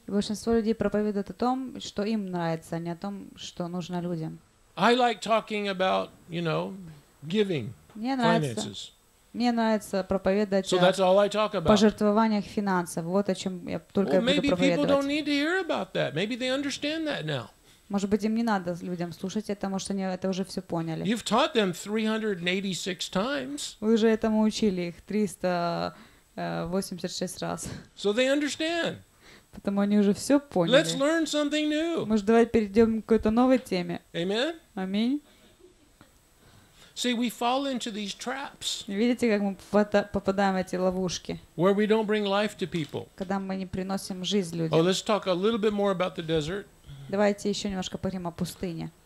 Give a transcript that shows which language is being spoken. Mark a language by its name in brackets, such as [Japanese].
[Russian] Большинство людей проповедуют о том, что им нравится, а не о том, что нужно людям. [English] I like talking about, you know, giving, [Russian] мне нравится, [English] finances. [Russian] Мне нравится проповедовать. [English] So that's all I talk about. [Russian] Пожертвованиях, финансов. Вот о чем я только [English] well, [Russian] я буду проповедовать. [English] Maybe people don't need to hear about that. Maybe they understand that now. [Russian] Может быть, им не надо людям слушать это, потому что они это уже все поняли. [English] You've taught them 386 times. [Russian] Вы же этому учили их 386 раз. [English] So they understand. [Russian] Потому они уже все поняли. [English] Let's learn something new. [Russian] Может, давайте перейдем к какой-то новой теме. [English] Amen? [Russian] Аминь. [English] See, we fall into these traps. [Russian] Видите, как мы попадаем в эти ловушки? [English] Where we don't bring life to people. [Russian] Когда мы не приносим жизнь людям. [English] Oh, let's talk a little bit more about the desert. [Russian] Давайте еще немножко поговорим о пустыне.